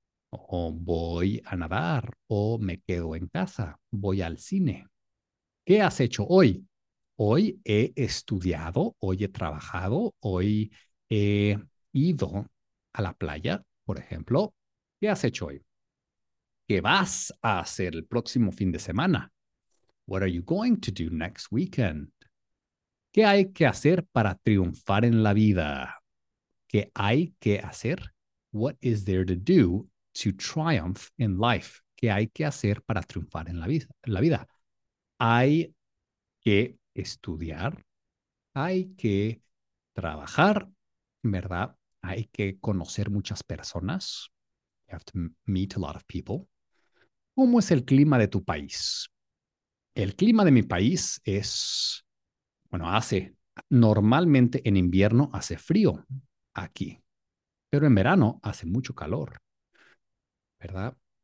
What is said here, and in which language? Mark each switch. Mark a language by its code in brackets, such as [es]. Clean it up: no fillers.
[es] O voy a nadar. O me quedo en casa. Voy al cine. ¿Qué has hecho hoy? Hoy he estudiado, hoy he trabajado, hoy he ido a la playa, por ejemplo. ¿Qué has hecho hoy? ¿Qué vas a hacer el próximo fin de semana? [en] What are you going to do next weekend? [es] ¿Qué hay que hacer para triunfar en la vida? ¿Qué hay que hacer? [en] What is there to do to triumph in life? [es] ¿Qué hay que hacer para triunfar en la vida? Hay que estudiar, hay que trabajar, ¿verdad? Hay que conocer muchas personas. [en] You have to meet a lot of people. [es] ¿Cómo es el clima de tu país? El clima de mi país es, bueno, hace, normalmente en invierno hace frío aquí, pero en verano hace mucho calor, ¿verdad?